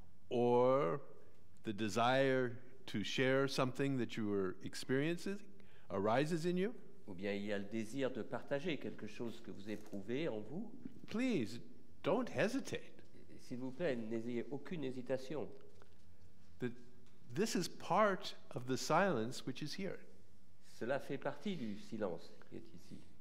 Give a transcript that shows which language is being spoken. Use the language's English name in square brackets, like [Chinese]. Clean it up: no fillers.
[English] or the desire to share something that you are experiencing arises in you, [French] ou bien il y a le désir de partager quelque chose que vous éprouvez en vous, [English] please don't hesitate. [French] S'il vous plaît, n'ayez aucune hésitation. [English] This is part of the silence which is here. [French] Cela fait partie du silence qui est ici.